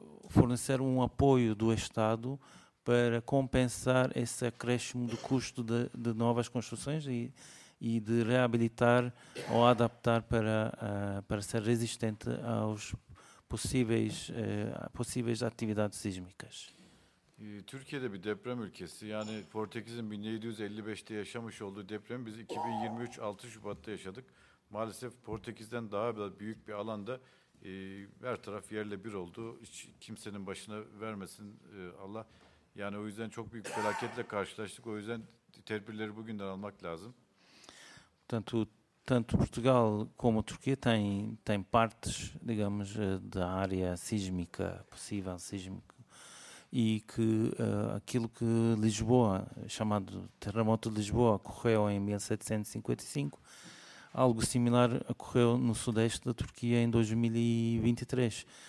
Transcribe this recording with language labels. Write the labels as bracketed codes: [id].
[pt] fornecer um apoio do Estado para compensar esse acréscimo do custo de novas construções e de reabilitar ou adaptar para ser resistente aos possíveis atividades sísmicas. [tr] Türkiye'de bir deprem ülkesi. Yani Portekiz'in 1755'te yaşamış olduğu depremi biz 2023 6 Şubat'ta yaşadık. Maalesef Portekiz'den daha büyük bir alanda her taraf yerle bir oldu. Hiç kimsenin başına vermesin Allah. Yani o yüzden çok büyük felaketle karşılaştık. O yüzden tedbirleri bugünden almak lazım. [pt] Tanto Portugal como Turquia tem partes, digamos, da área sísmica, possível sísmica. E que aquilo que Lisboa, chamado terremoto de Lisboa, ocorreu em 1755, algo similar ocorreu no sudeste da Turquia em 2023.